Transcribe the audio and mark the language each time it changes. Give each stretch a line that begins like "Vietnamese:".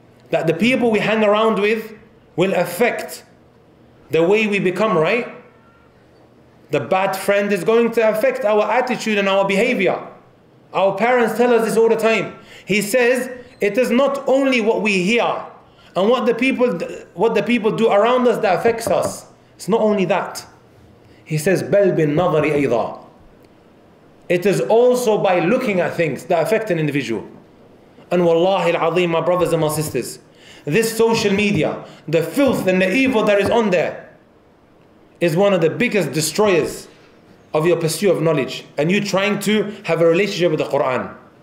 English: That the people we hang around with will affect the way we become, right? The bad friend is going to affect our attitude and our behavior. Our parents tell us this all the time. He says, it is not only what we hear and what the people do around us that affects us. It's not only that. He says,
Arabic: بَلْ بِالنَّظَرِ أَيْضًا.
English: It is also by looking at things that affect an individual. And wallahi al-azim, my brothers and my sisters, this social media, the filth and the evil that is on there, is one of the biggest destroyers of your pursuit of knowledge and you trying to have a relationship with the Quran.